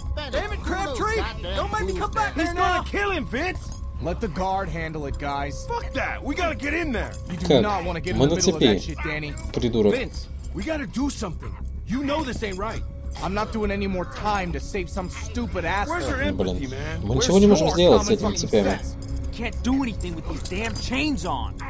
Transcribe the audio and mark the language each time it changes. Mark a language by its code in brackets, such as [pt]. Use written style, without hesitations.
[en] Damn it, Crabtree! Don't make me come back there now! He's gonna kill him, Vince! Let the guard handle it, guys. Fuck that! We gotta get in there! You do not want to get in the middle of that shit, Danny. [ru] Придурок. [en] Vince, we gotta do something. You know this ain't right. I'm not doing any more time to save some stupid asshole. Where's your empathy, man? [ru] Мы ничего не можем сделать с этими цепями. [en] Can't do anything with these damn chains on.